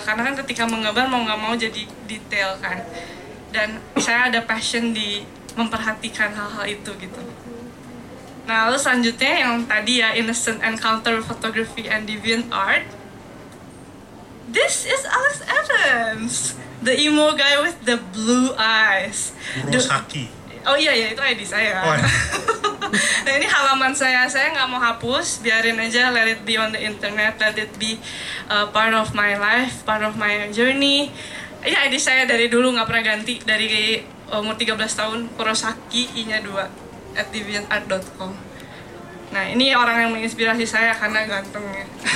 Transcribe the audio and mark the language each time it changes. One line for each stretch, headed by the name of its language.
Indonesian: Karena kan ketika menggambar mau nggak mau jadi detail kan. Dan saya ada passion di memperhatikan hal-hal itu gitu. Nah, lalu selanjutnya yang tadi ya,
English: innocent encounter with photography and deviant art. This is Alex Evans. The emo guy with the blue eyes. Rosaki.
Indonesian: Oh iya, itu ID saya. Oh, nah ini halaman saya gak mau hapus. Biarin aja,
English: let it be on the internet. Let it be part of my life, part of my journey.
Indonesian: Ini ID saya dari dulu, gak pernah ganti. Dari umur 13 tahun, Rosaki, I-nya 2, @deviantart.com. Nah ini orang yang menginspirasi saya karena gantengnya.